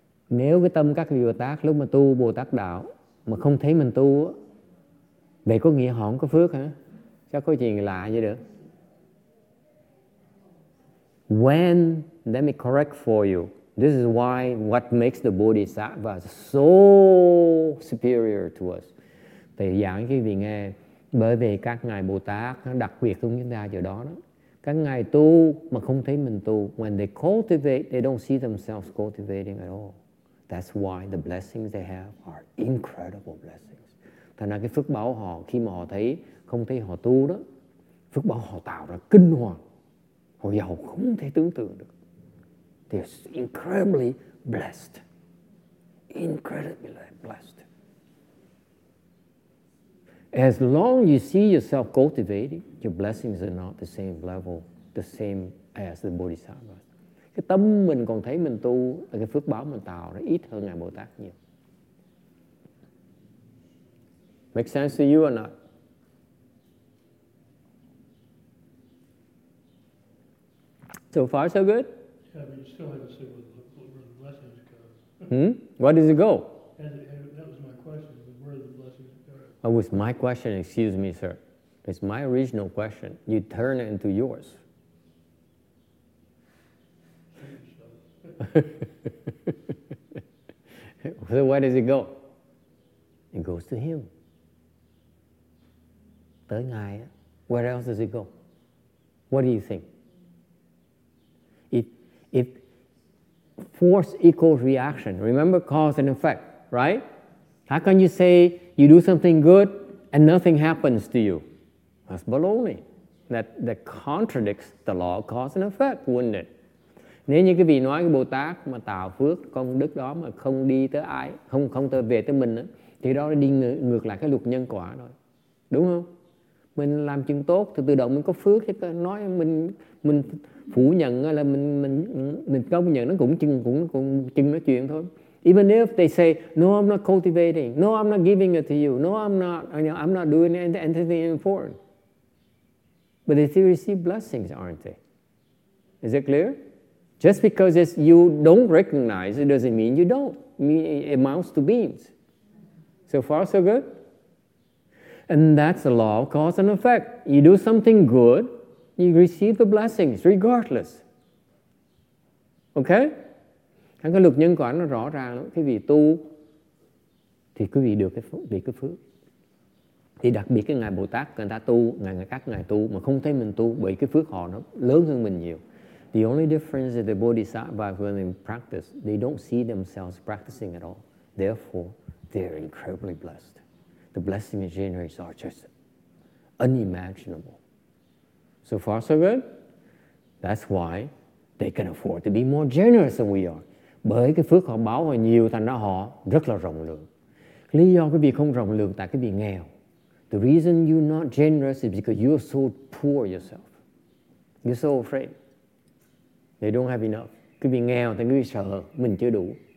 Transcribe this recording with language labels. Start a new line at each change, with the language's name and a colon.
Vietnamese: Nếu cái tâm các vị Bồ Tát lúc mà tu Bồ Tát đạo mà không thấy mình tu, vậy có nghĩa họ không có phước hả? Chắc có chuyện lạ vậy được.
English: When, let me correct for you. This is why what makes the bodhisattva so superior to us.
Vietnamese: Thầy giảng cái vị nghe, bởi vì các ngài Bồ Tát đặc biệt trong chúng ta chỗ đó, đó. Các ngài tu mà không thấy mình tu.
English: When they cultivate, they don't see themselves cultivating at all. That's why the blessings they have are incredible blessings.
Vietnamese: Thành ra cái phước báo họ khi mà họ thấy không thấy họ tu đó, phước báo họ tạo ra kinh hoàng. Họ giàu không thể tưởng tượng được.
English: They're incredibly blessed. Incredibly blessed. As long as you see yourself cultivating, your blessings are not the same level, the same as the Bodhisattva.
Vietnamese: Cái tâm mình còn thấy mình tu là cái phước báo mình tạo ra ít hơn ngài Bồ Tát nhiều.
English: Make sense to you or not? So far, so good? Yeah, but you still haven't said where the blessings go. Hmm? Where does it go? That was my question. Where do the blessings go? Oh, it was my question. Excuse me, sir. It's my original question. You turn it into yours. So where does it go? It goes to him.
Vietnamese: Tới ngài.
English: Where else does it go? What do you think? If force equals reaction, remember cause and effect, right? How can you say you do something good and nothing happens to you? That's baloney. That contradicts the law of cause and effect, wouldn't it?
Vietnamese: Nếu như cái vị nói cái Bồ Tát mà tạo phước công đức đó mà không đi tới ai, không tới về tới mình đó, thì đó là đi ngược lại cái luật nhân quả rồi, đúng không? Mình làm chuyện tốt thì tự động mình có phước, chứ nói mình phủ nhận là mình công nhận nó cũng chừng nói chuyện thôi.
English: Even if they say no, I'm not cultivating, no, I'm not giving it to you, no, I'm not doing anything important, but they still receive blessings, aren't they? Is it clear? Just because it's you don't recognize it doesn't mean you don't. It amounts to beans. So far, so good. And that's the law of cause and effect. You do something good, you receive the blessings regardless. Okay?
Vietnamese: Thằng cái luật nhân quả nó rõ ràng lắm. Cái vị tu thì quý vị được cái phước. Thì đặc biệt cái ngài Bồ Tát, người ta tu, các ngài tu mà không thấy mình tu, bởi cái phước họ nó lớn hơn mình nhiều.
English: The only difference is the bodhisattvas, when they practice, they don't see themselves practicing at all. Therefore, they're incredibly blessed. The blessings they generate are just unimaginable. So far, so good? That's why they can afford to be more generous than we are.
Vietnamese: Bởi cái phước họ báo họ nhiều, thành ra họ rất là rộng lượng. Lý do quý vị không rộng lượng tại quý vị nghèo.
English: The reason you're not generous is because you are so poor yourself. You're so afraid. They don't have enough.
Vietnamese: Quý vị nghèo thì quý vị sợ mình chưa đủ.